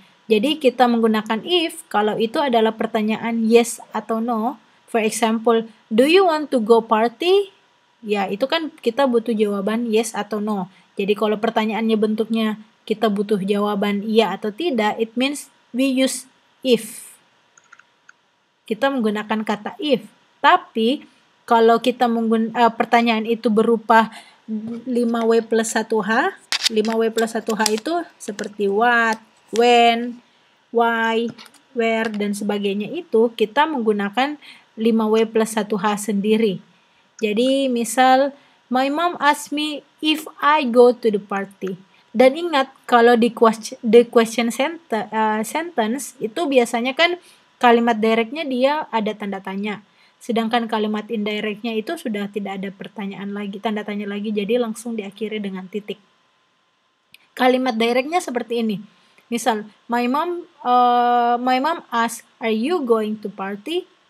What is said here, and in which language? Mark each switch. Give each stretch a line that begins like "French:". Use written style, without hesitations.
Indonesian: Jadi kita menggunakan if kalau itu adalah pertanyaan yes atau no.
English: For example, do you want to go party?
Indonesian: Ya, itu kan kita butuh jawaban yes atau no. Jadi kalau pertanyaannya bentuknya kita butuh jawaban iya atau tidak,
English: it means we use if.
Indonesian: Kita menggunakan kata if. Tapi kalau kita pertanyaan itu berupa 5W plus 1H, 5W plus 1H itu seperti what, when, why, where, dan sebagainya itu, kita menggunakan 5W plus 1H sendiri. Jadi misal,
English: my mom asked me if I go to the party.
Indonesian: Dan ingat, kalau di sentence itu biasanya kan kalimat directnya dia ada tanda tanya. Sedangkan kalimat indirectnya itu sudah tidak ada pertanyaan lagi, tanda tanya lagi, jadi langsung diakhiri dengan titik. Kalimat directnya seperti ini.
English: Misal, my mom ask, are you going to party?